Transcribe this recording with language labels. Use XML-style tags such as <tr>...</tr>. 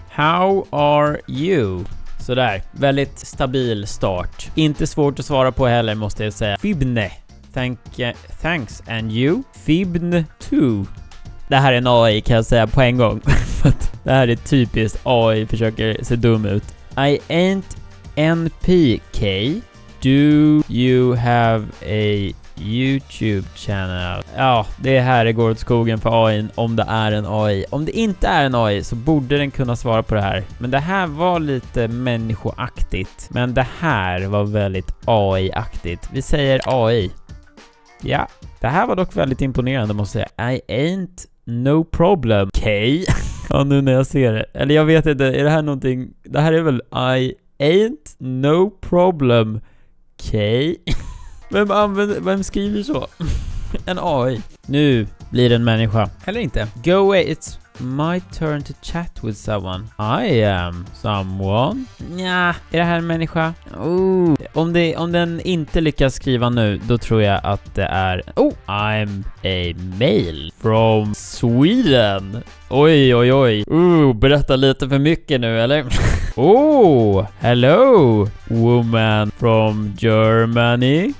<en>How are you?</en> <sv>Sådär, väldigt stabil start. Inte svårt att svara på heller måste jag säga. Fibne.</sv> <en>Thanks, and you?</en> <sv>Fibne 2. Det här är en AI kan jag säga på en gång. Det här är typiskt AI försöker se dum ut.</sv> <en>I ain't NPK. Do you have a YouTube channel?</en> <sv>Ja, det här går åt skogen för AI om det är en AI. Om det inte är en AI så borde den kunna svara på det här. Men det här var lite människoaktigt. Men det här var väldigt AI-aktigt. Vi säger AI. Ja, det här var dock väldigt imponerande måste jag säga.</sv> <en>I ain't no problem.</en> <sv>Okej. Ja, nu när jag ser det. Eller jag vet inte, är det här någonting? Det här är väl</sv> <en>I ain't no problem.</en> <sv>Okej. Vem skriver så? En AI. Nu blir det en människa. Eller inte.</sv> <en>Go away, it's my turn to chat with someone. I am someone.</en> <sv>Nja, är det här en människa? Ooh. Om den inte lyckas skriva nu, då tror jag att det är...</sv> <en>Oh, I'm a male from Sweden.</en> <sv>Oj, oj, oj. Ooh, berätta lite för mycket nu, eller?</sv> <en>Oh, hello, woman from Germany.</en>